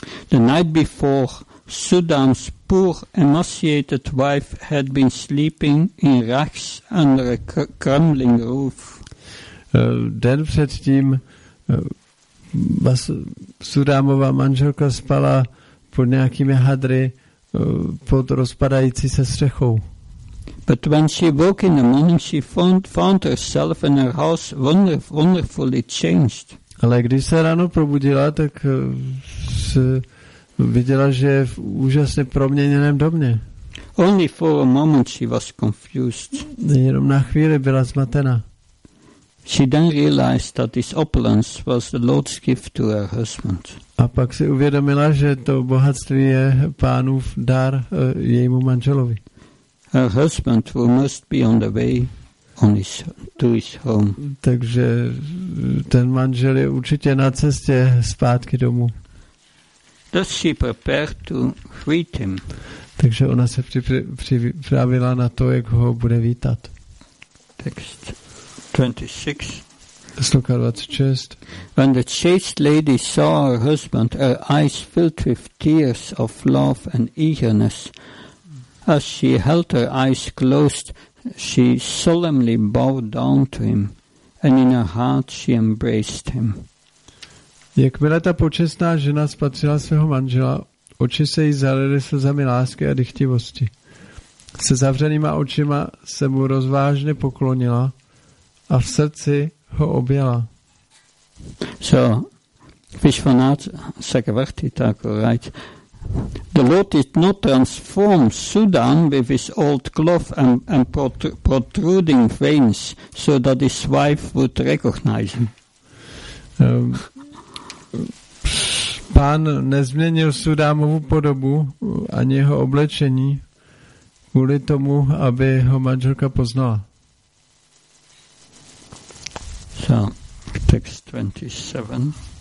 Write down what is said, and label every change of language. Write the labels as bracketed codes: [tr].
[en] The night before, Sudan's poor, emaciated wife had been sleeping in rags under a crumbling roof. [cs] Den předtím Sudámová manželka spala pod nějakými hadry pod rozpadající se střechou. [en] But when she woke in the morning, she found herself and her house wonderfully changed. [cs] Ale když se ráno probudila, tak se viděla, že je v úžasně proměněném domě. [en] Only for a moment she was confused. [cs] Jenom na chvíli byla zmatena. [en] She then realized that this opulence was the Lord's gift to her husband. [cs] A pak si uvědomila, že to bohatství je pánův dar jejímu manželovi. [en] Her husband who must be on the way to his home. [cs] Takže ten manžel je určitě na cestě zpátky domů. [en] Thus she prepared to greet him. [cs] Takže ona se připravila na to, jak ho bude vítat. [en] Text 26. When the chaste lady saw her husband, her eyes filled with tears of love and eagerness. As she held her eyes closed, she solemnly bowed down to him, and in her heart she embraced him. [cs] Jakmile ta počestná žena spatřila svého manžela, oči se jí zalily slzami lásky a dychtivosti. Se zavřenýma očima se mu rozvážně poklonila a v srdci ho objala. [en] So, Vishvanatha Chakravarti Thakur writes, the Lord did not transform Sudan with his old cloth and protruding veins so that his wife would recognize him. [cs] Pán nezměnil Sudámovu podobu ani jeho oblečení kvůli tomu, aby ho manželka poznala. [en] So, text 27.